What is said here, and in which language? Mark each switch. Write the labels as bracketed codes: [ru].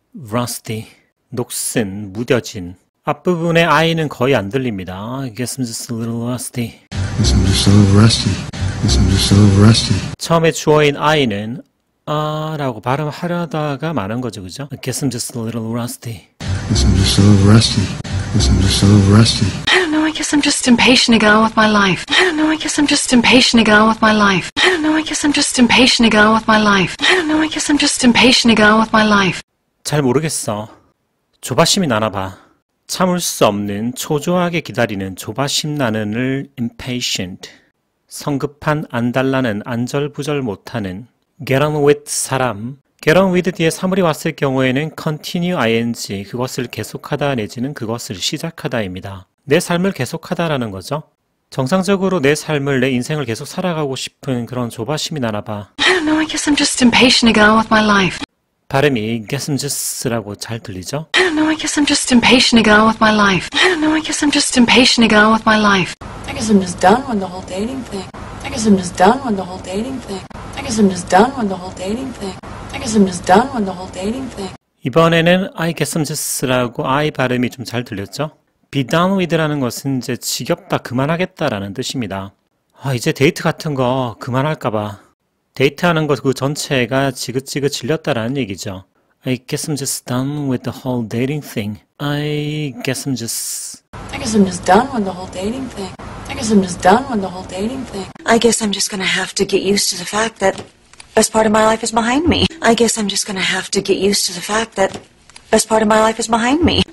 [ko] rusty. 녹슨. 무뎌진. 앞부분에 I는 거의 안 들립니다. [en] I guess I'm just a little rusty. I'm just a little rusty. I'm just a little rusty. [ko] 처음에 주어인 I는 아 라고 발음하려다가 많은 거죠, 그죠? [en] I guess I'm just a little rusty. I'm just a little rusty. I'm just a little rusty. I don't know. I guess I'm just impatient to get on with my life. I don't know. I guess I'm just impatient to get on with my life. I don't know. I guess I'm just impatient to get on with my life. I don't know. I guess I'm just impatient to get on with my life. [ko] 잘 모르겠어. 조바심이 나나 봐. 참을 수 없는 초조하게 기다리는 조바심 나는을 impatient 성급한 안달나는 안절부절 못하는 get on with 사람 get on with 뒤에 사물이 왔을 경우에는 continue ing 그것을 계속하다 내지는 그것을 시작하다입니다. 내 삶을 계속하다라는 거죠. 정상적으로 내 삶을 내 인생을 계속 살아가고 싶은 그런 조바심이 나나 봐. [en] I don't know. I guess I'm just impatient to get on with my life. [ko] 발음이 guess I'm just라고 잘 들리죠? [en] I don't know. I guess I'm just impatient to get on with my life. I don't know. I guess I'm just impatient to get on with my life. I guess I'm just done with the whole dating thing. I guess I'm just done with the whole dating thing. I guess I'm just done with the whole dating thing. I guess I'm just done with the whole dating thing. [ko] 이번에는 [en] I guess I'm just [ko] 라고 I 발음이 좀 잘 들렸죠? [en] Be done with [ko] 라는 것은 이제 지겹다, 그만하겠다라는 뜻입니다. 아, 이제 데이트 같은 거 그만할까 봐. 데이트하는 것 그 전체가 지긋지긋 질렸다라는 얘기죠. [en] I guess I'm just done with the whole dating thing. I guess I'm just done with the whole dating thing. I guess I'm just done with the whole dating thing. I guess I'm just gonna have to get used to the fact that best part of my life is behind me. I guess I'm just gonna have to get used to the fact that best part of my life is behind me.